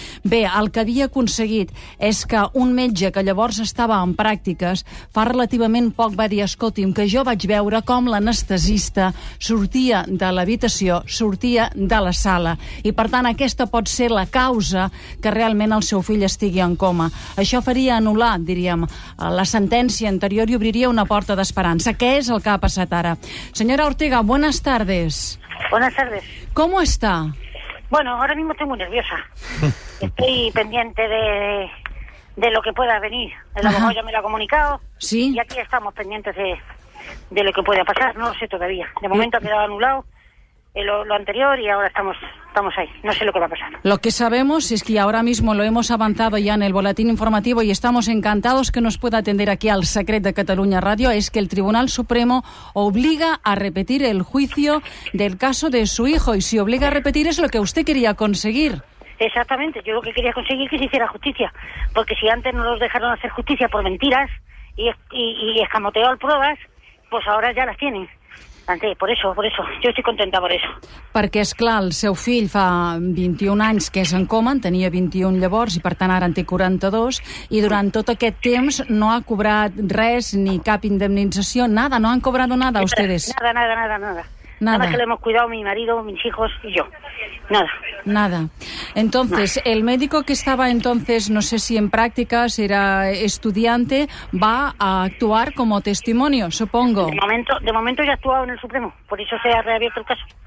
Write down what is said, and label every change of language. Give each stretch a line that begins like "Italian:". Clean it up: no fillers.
Catalan: Bé, el que havia aconseguit és que un metge que llavors estava en pràctiques, fa relativament poc va dir, escolti'm, que jo vaig veure com l'anestesista sortia de l'habitació, sortia de la sala. I per tant, aquesta pot ser la causa que realment el seu fill estigui en coma. Això faria anul·lar, diríem, la sentència anterior i obriria una porta d'esperança. Què és el que ha passat ara?
Spanish: Senyora Ortega, buenas tardes. Buenas tardes. ¿Cómo está? Bueno, ahora mismo estoy muy nerviosa. Estoy pendiente de lo que pueda venir. A lo mejor ya me lo ha comunicado. ¿Sí? Y aquí estamos pendientes de lo que pueda pasar. No lo sé todavía. De momento ha quedado anulado. Lo anterior y ahora estamos ahí. No sé lo que va a pasar. Lo que sabemos es que ahora mismo lo hemos avanzado ya en el boletín informativo y estamos encantados que nos pueda atender aquí al Secret de Catalunya Radio, es que el Tribunal Supremo obliga a repetir el juicio del caso de su hijo, y si obliga a repetir es lo que usted quería conseguir. Exactamente, yo lo que quería conseguir es que se hiciera justicia, porque si antes no los dejaron hacer justicia por mentiras y escamoteó al pruebas, pues ahora ya las tienen. Por eso, yo estoy contenta por eso.
Catalan: Perquè, és clar, el seu fill fa 21 anys que és en coma, en tenia 21 llavors, i per tant ara en té 42, i durant tot aquest temps no ha cobrat res, ni cap indemnització,
Spanish: nada, no han cobrado nada a ustedes. Nada. Nada más que le hemos cuidado mi marido, mis hijos y yo. Nada. Nada. Entonces, nada. El médico que estaba entonces, no sé si en prácticas, era estudiante, va a actuar como testimonio, supongo. De momento ya ha actuado en el Supremo, por eso se ha reabierto el caso.